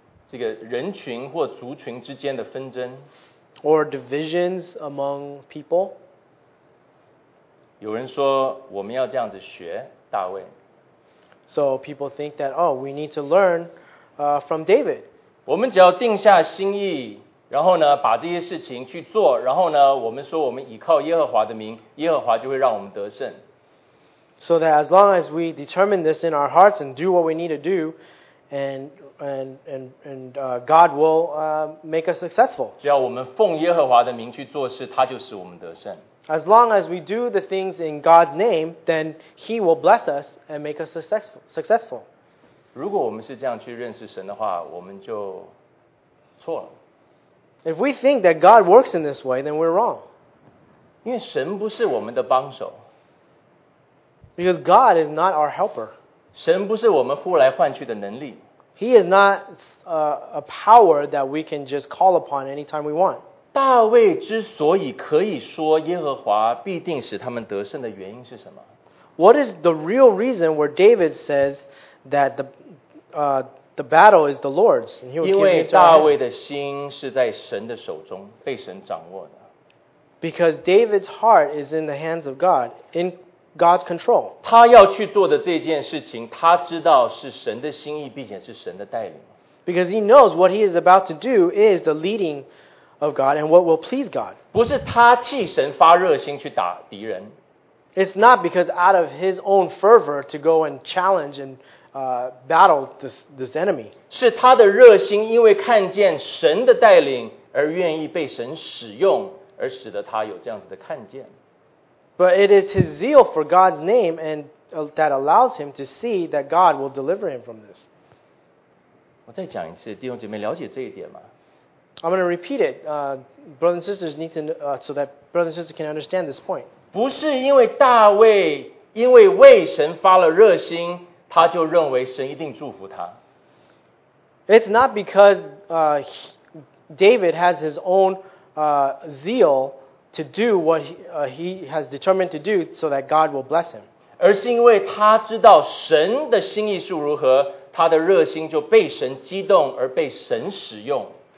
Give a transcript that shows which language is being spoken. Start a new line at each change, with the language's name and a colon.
Chinese: 这个人群或族群之间的纷争。
English: Or divisions among people.
Chinese: 有人说，我们要这样子学大卫。
English: So people think that, oh, we need to learn from David.
Chinese: 我们只要定下心意，然后呢，把这些事情去做，然后呢，我们说我们倚靠耶和华的名，耶和华就会让我们得胜。
English: So that as long as we determine this in our hearts and do what we need to do, and God will make us successful.
Chinese: 只要我们奉耶和华的名去做事，他就使我们得胜。
English: As long as we do the things in God's name, then He will bless us and make us successful.
Chinese: 如果我们是这样去认识神的话，我们就错了。
English: If we think that God works in this way, then we're wrong.
Chinese: 因为神不是我们的帮手。
English: Because God is not our helper.
Chinese: 神不是我们呼来唤去的能力。
English: He is not a power that we can just call upon anytime we want.
Chinese: 大卫之所以可以说耶和华必定使他们得胜的原因是什么？
English: What is the real reason where David says that the the battle is the Lord's. And he will give you joy.
Chinese: 因为大卫的心是在神的手中，被神掌握的。
English: Because David's heart is in the hands of God, in God's control.
Chinese: 他要去做的这件事情，他知道是神的心意，并且是神的带领。
English: Because he knows what he is about to do is the leading of God and what will please God.
Chinese: 不是他替神发热心去打敌人。
English: It's not because out of his own fervor to go and challenge and battle this enemy.
Chinese: 是他的热心因为看见神的带领而愿意被神使用而使得他有这样子的看见。
English: But it is his zeal for God's name and that allows him to see that God will deliver him from this.
Chinese: 我再讲一次，弟兄姐妹了解这一点吗？
English: I'm going to repeat it, brothers and sisters need to so that brothers and sisters can understand this point.
Chinese: 不是因为大卫因为为神发了热心，他就认为神一定祝福他。
English: It's not because David has his own zeal to do what he has determined to do so that God will bless him.
Chinese: 而是因为他知道神的心意是如何，他的热心就被神激动而被神使用。